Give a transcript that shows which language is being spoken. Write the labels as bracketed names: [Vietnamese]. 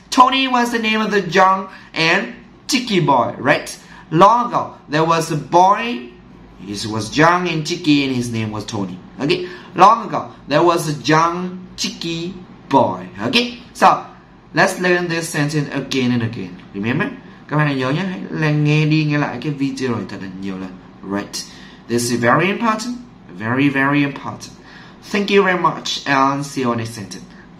[English] Tony was the name of the young and chicken boy, right? Long ago, there was a boy. He was young and chicken and his name was Tony. Okay? Long ago, there was a young chicken boy. Okay? So, let's learn this sentence again and again. Remember? [Vietnamese] Các bạn nhớ nhé, hãy nghe đi nghe lại cái video này thật là nhiều lần. [English] Right. This is very important. Very, very important. Thank you very much and see you on the next sentence.